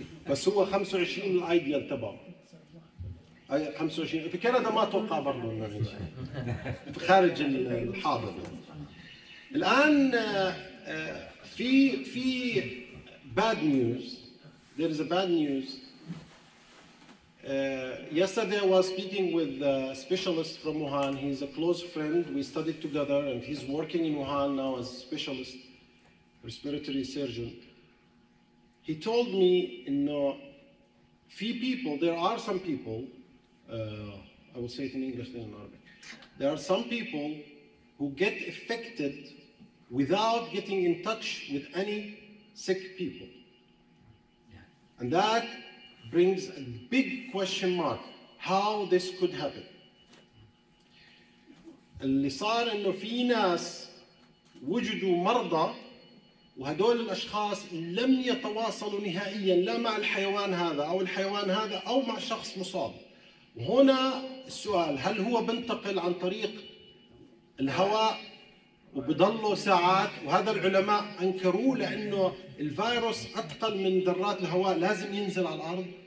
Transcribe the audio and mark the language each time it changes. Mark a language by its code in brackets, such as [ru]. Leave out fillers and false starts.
[ar] بس هو 25 الأيديال تبعه، أي 25 في كندا ما توقع برضو إنه يعيش في خارج الحاضر. الآن في [en] bad news. There is a bad news. Yesterday I was speaking with a specialist from Wuhan. He's a close friend. We studied together and he's working in Wuhan now as a specialist, respiratory surgeon. He told me, you know, few people, there are some people, I will say it in English then in Arabic. There are some people who get affected without getting in touch with any sick people. And that brings a big question mark, how this could happen. [ar] اللي صار انه في ناس وجدوا مرضى وهدول الاشخاص لم يتواصلوا نهائيا لا مع الحيوان هذا او الحيوان هذا او مع شخص مصاب. وهنا السؤال، هل هو بنتقل عن طريق الهواء وبضله ساعات؟ وهذا العلماء انكروه لانه الفيروس اثقل من ذرات الهواء، لازم ينزل على الارض.